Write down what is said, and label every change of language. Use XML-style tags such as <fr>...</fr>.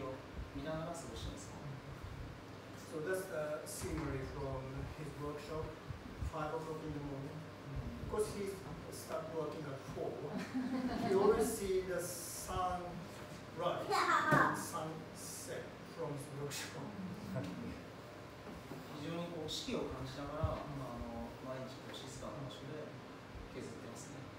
<ja>これは続きは午後からの景色ですね。朝日なんですけど、毎日朝早いんで、今の時間だったら5時ぐらいに日の出が来るので、毎朝日の出と夕日を見ながら過ごしてます。So</ja> <en>that's the scenery from his workshop, 5 o'clock in the morning. Because he started working at 4, he always see the sun rise and sunset from his workshop.</en> <ja>非常にこう四季を感じながら、毎日こう静かな場所で削ってますね。</ja>